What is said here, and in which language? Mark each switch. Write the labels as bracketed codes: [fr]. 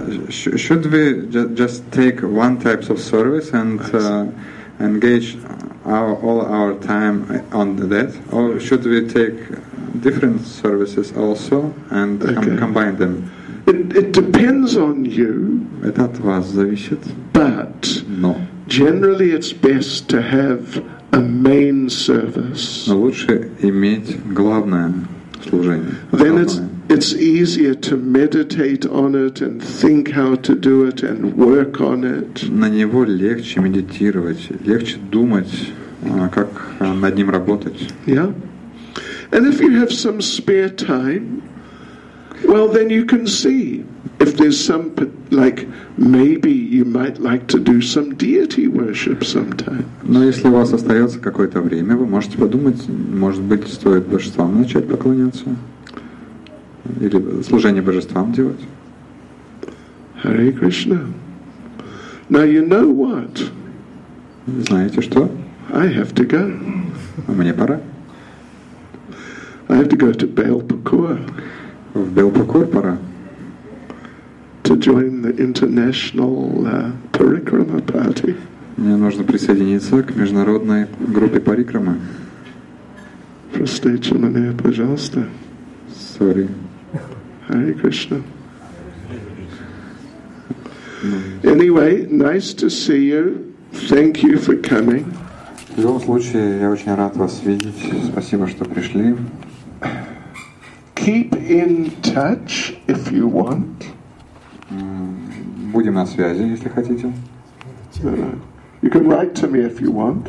[en] Should we just take one type of service and engage all our time on that, or should we take different services also and combine them? It depends on you. [ru] Это от вас зависит. [en] But no. Generally, it's best to have a main service. [ru] Но лучше иметь главное служение. [en] Then it's easier to meditate on it and think how to do it and work on it. [ru] На него легче медитировать, легче думать, как над ним работать. [en] Yeah. And if you have some spare time, well, then you can see if there's some, like, maybe you might like to do some deity worship sometime. [ru] Но если у вас остается какое-то время, вы можете подумать, может быть, стоит божествам начать поклоняться или служение божествам делать. [en] Hare Krishna. Now you know what? [ru] Знаете что? [en] I have to go. [ru] Мне пора. [en] I have to go to Belpakur. [ru] В Белпакур пора. [en] To join the international Parikrama party. [ru] Мне нужно присоединиться к международной группе Парикрама. Простите меня, пожалуйста. [en] Sorry. Hare Krishna. Anyway, nice to see you. Thank you for coming. [ru] В любом случае, я очень рад вас видеть. Спасибо, что пришли. [en] Keep in touch if you want. [ru] Будем на связи, если хотите. [en] You can write to me if you want.